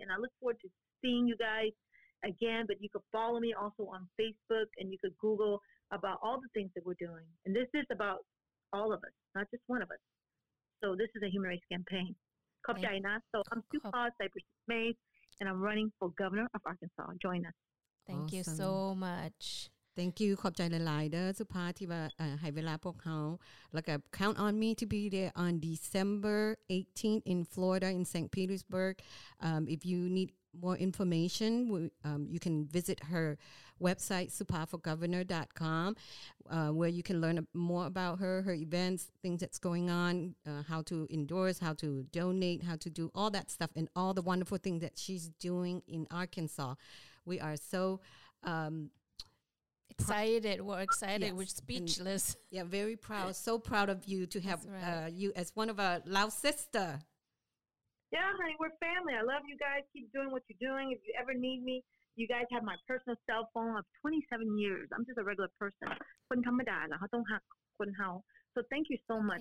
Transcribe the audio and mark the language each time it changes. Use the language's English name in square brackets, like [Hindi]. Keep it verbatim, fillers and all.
[English] And I look forward to seeing you guys again. But you can follow me also on Facebook, and you could Google about all the things that we're doing. And this is about all of us, not just one of us. So this is a human rights campaign. [Lao] Khopjai na. [English] So I'm Supa Cypress Mays, and I'm running for governor of Arkansas. Join us. Thank you so much. Thank you [Lao] ขอบใจหลายๆเด้อสุภาที่ว่าเอ่อให้เวลาพวกเฮาแล้วก็ [English] count on me to be there on December eighteenth in Florida in Saint Petersburg. Um if you need more information, we, um you can visit her website supa for governor dot com uh where you can learn more about her, her events, things that's going on, uh, how to endorse, how to donate, how to do all that stuff and all the wonderful things that she's doing in Arkansas. We are so um excited we're excited yes. We're speechless and, yeah very proud so proud of you to have right. uh, you as one of our Lao sister. Yeah honey, we're family. I love you guys. Keep doing what you're doing. If you ever need me, you guys have my personal cell phone of twenty-seven years. I'm just a regular person. [Lao] คนธรรมดาล่ะเฮาต้องฮักคนเฮา [English] So thank you so much.